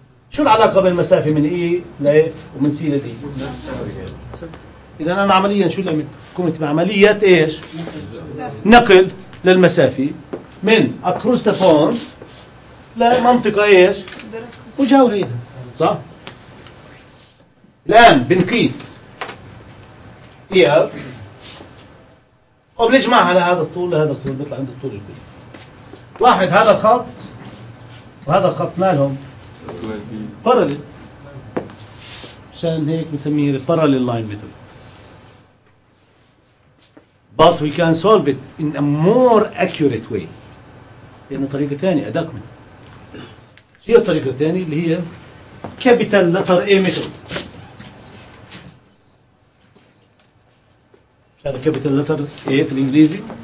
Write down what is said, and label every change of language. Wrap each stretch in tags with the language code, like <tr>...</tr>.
<ar>شو العلاقه بين المسافه من اي لاف ومن سي لدي؟ اذا انا عمليا شو اللي عملت؟ قمت بعمليه ايش؟ نقل للمسافه من</ar> <en>across the form</en> <ar>لمنطقه ايش؟ مجاوره، صح؟ الآن بنقيس إياب وبنجمعها لهذا الطول لهذا الطول بيطلع عند الطول البي. لاحظ هذا الخط وهذا الخط مالهم؟ بارلل، عشان هيك بنسميه</ar> <en>The parallel line method. But we can solve it in a more accurate way.</en> <ar>يعني طريقة ثانية أداك منها. هي الطريقة الثانية اللي هي</ar> <en>Capital letter A method.</en> <ar>هذا</ar> <en>capital letter A</en> <ar>في الانجليزي.</ar>